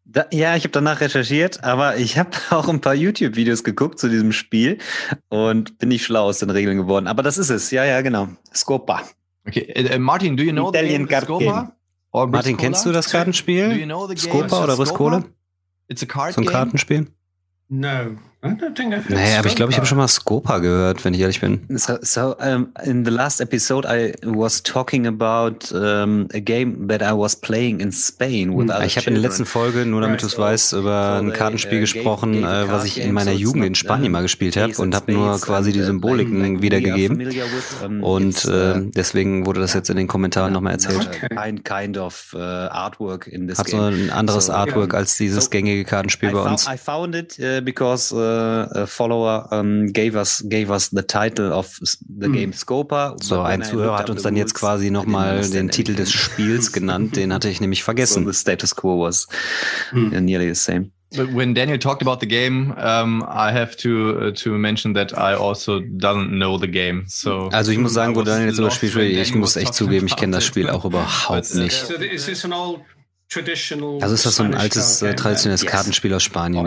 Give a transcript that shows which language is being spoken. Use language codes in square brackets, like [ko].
[de] Ja, ich habe danach recherchiert, aber ich habe auch ein paar YouTube-Videos geguckt zu diesem Spiel und bin nicht schlau aus den Regeln geworden. Aber das ist es, ja, genau, Scopa. [en] Okay, Martin, do you know Italian the Scopa? Or Martin, [de] kennst du das Kartenspiel? [en] Do you know the game? Scopa oder Briscola? It's a card [de] game? So ein Kartenspiel? [en] No, [de] Naja, aber ich glaube, ich habe schon mal Scopa gehört, wenn ich ehrlich bin. [en] So, in the last episode, I was talking about a game that I was playing in Spain with other. [de] Ich habe in der letzten Folge, nur damit du es weißt, über ein Kartenspiel gesprochen, was ich in meiner Jugend in Spanien mal gespielt habe und habe nur quasi die Symboliken wiedergegeben. Und deswegen wurde das jetzt in den Kommentaren nochmal erzählt. [en] Ein kind of artwork in this [de] game. Hat so ein anderes Artwork als dieses gängige Kartenspiel bei uns. [en] I found it because a follower gave us the title of the game Scopa. [de] So, ein Zuhörer hat uns dann jetzt quasi nochmal den Titel des Spiels genannt, den hatte ich nämlich vergessen. [en] So the status quo was nearly the same. But when Daniel talked about the game, I have to mention that I also don't know the game. So, [de] also ich muss sagen, wo Daniel jetzt über das Spiel spricht, ich muss echt zugeben, ich kenne das Spiel auch überhaupt nicht. [en] So, is this an old traditional, [de] also ist das so ein altes, traditionelles Kartenspiel aus Spanien?